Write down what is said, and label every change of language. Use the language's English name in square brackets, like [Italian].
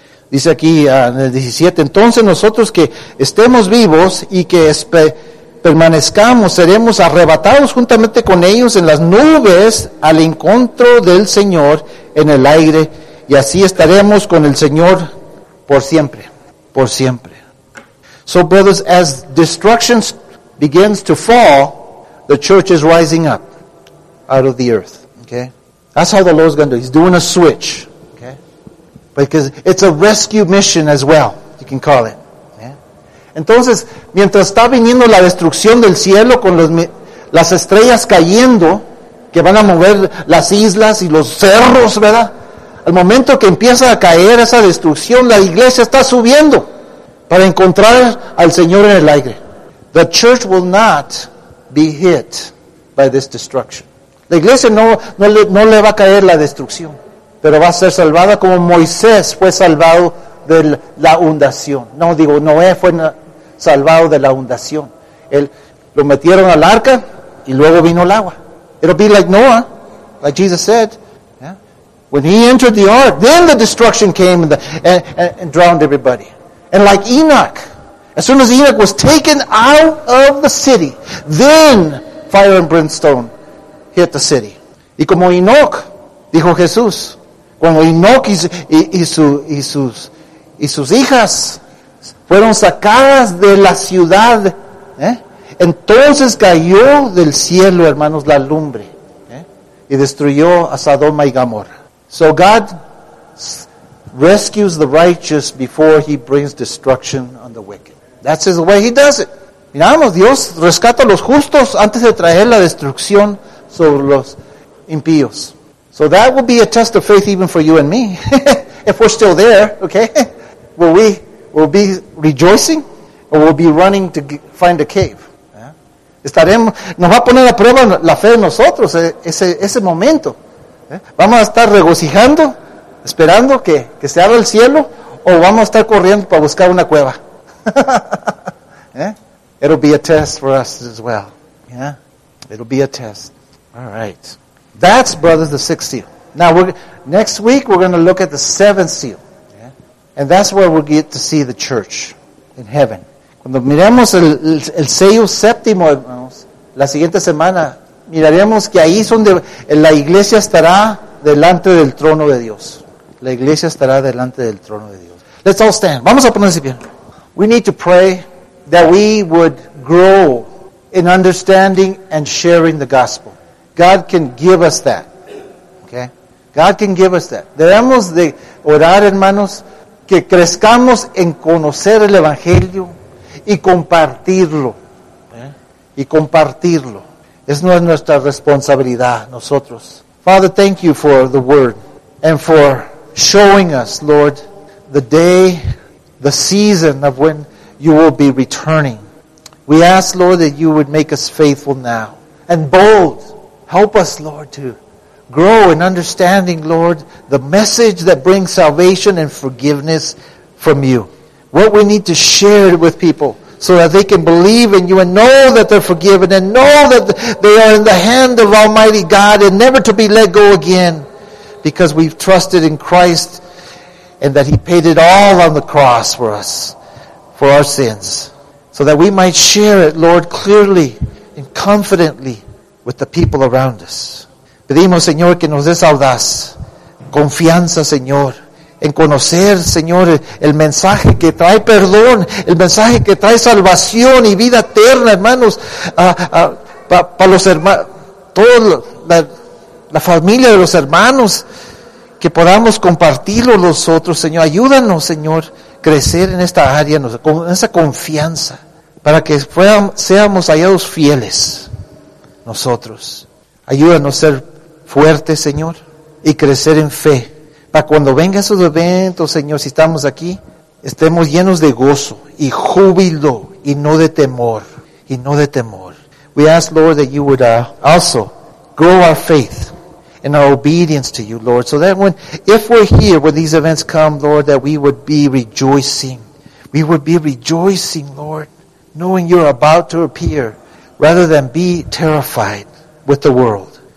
[Spanish] Dice aquí en el 17, entonces nosotros que estemos vivos y que permanezcamos, seremos arrebatados juntamente con ellos en las nubes al encuentro del Señor en el aire, y así estaremos con el Señor por siempre, por siempre. [English] So brothers, as destruction begins to fall, the church is rising up out of the earth. Okay, that's how the Lord's going to do. He's doing a switch. Okay, because it's a rescue mission as well, you can call it. [Spanish] Entonces, mientras está viniendo la destrucción del cielo con las estrellas cayendo, que van a mover las islas y los cerros, ¿verdad? Al momento que empieza a caer esa destrucción, la iglesia está subiendo para encontrar al Señor en el aire. [English] The church will not be hit by this destruction. [Spanish] La iglesia no le va a caer la destrucción, pero va a ser salvada como Moisés fue salvado de la hundación. Noé fue salvado de la hundación. Él lo metieron al arca y luego vino el agua. [English] It'll be like Noah, like Jesus said. Yeah. When he entered the ark, then the destruction came and drowned everybody. And like Enoch, as soon as Enoch was taken out of the city, then fire and brimstone hit the city. [Spanish] Y como Enoch, dijo Jesús, cuando Enoch y sus y sus hijas fueron sacadas de la ciudad. Entonces cayó del cielo, hermanos, la lumbre, y destruyó a Sodoma y Gomorra. [English] So God rescues the righteous before he brings destruction on the wicked. [Spanish] That's the way he does it. Miramos, Dios rescata a los justos antes de traer la destrucción sobre los impíos. [English] So that would be a test of faith even for you and me. If we're still there, okay? Will we be rejoicing? Or will we be running to find a cave? [Spanish] Estaremos, nos va a poner a prueba la fe de nosotros ese momento. ¿Vamos a estar regocijando, esperando que se abra el cielo, o vamos a estar corriendo para buscar una cueva? [English] It'll be a test for us as well. Yeah? It'll be a test. All right. That's, brothers, the sixth seal. Now, next week we're going to look at the seventh seal. Yeah? And that's where we'll get to see the church in heaven. [Spanish] Cuando miremos el sello séptimo, hermanos, la siguiente semana, miraremos que ahí es donde la iglesia estará delante del trono de Dios. La iglesia estará delante del trono de Dios. [English] Let's all stand. Vamos a ponerse bien. We need to pray that we would grow in understanding and sharing the gospel. God can give us that. Okay? God can give us that. [Spanish] Debemos de orar, hermanos, que crezcamos en conocer el evangelio y compartirlo. Y compartirlo. Es nuestra responsabilidad, nosotros. [English] Father, thank you for the word. And for showing us, Lord, the day, the season of when you will be returning. We ask, Lord, that you would make us faithful now. And bold. Help us, Lord, to grow in understanding, Lord, the message that brings salvation and forgiveness from you. What we need to share with people so that they can believe in you and know that they're forgiven and know that they are in the hand of Almighty God and never to be let go again, because we've trusted in Christ and that he paid it all on the cross for us, for our sins, so that we might share it, Lord, clearly and confidently with the people around us. [Spanish] Pedimos, Señor, que nos des audaz, confianza, Señor, en conocer, Señor, el mensaje que trae perdón, el mensaje que trae salvación y vida eterna, hermanos, para los hermanos, toda la familia de los hermanos, que podamos compartirlo nosotros, Señor. Ayúdanos, Señor, crecer en esta área, con esa confianza, para que seamos hallados fieles nosotros. Ayúdanos a ser fuertes, Señor, y crecer en fe. Para cuando venga esos eventos, Señor, si estamos aquí, estemos llenos de gozo y júbilo y no de temor, y no de temor. [English] We ask, Lord, that you would also grow our faith and our obedience to you, Lord, so that if we're here when these events come, Lord, that we would be rejoicing. We would be rejoicing, Lord, knowing you're about to appear, rather than be terrified with the world.